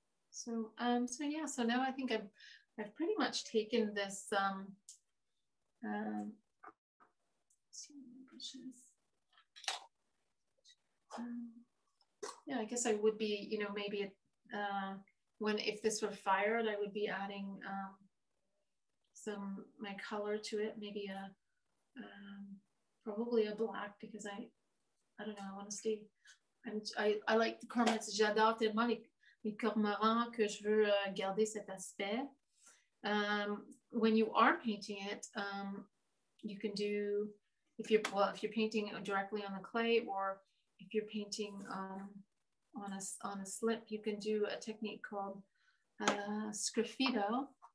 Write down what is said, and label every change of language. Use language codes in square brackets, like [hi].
[en] So now I think I've pretty much taken this I guess I would be, you know, maybe if this were fired, I would be adding my color to it, maybe probably a black, because I don't know, I want to stay. I like the cormorants. [fr] J'adore tellement les cormorants que je veux garder cet aspect. [en] When you are painting it, you can do, if you're painting it directly on the clay, or if you're painting on a slip, you can do a technique called sgraffito.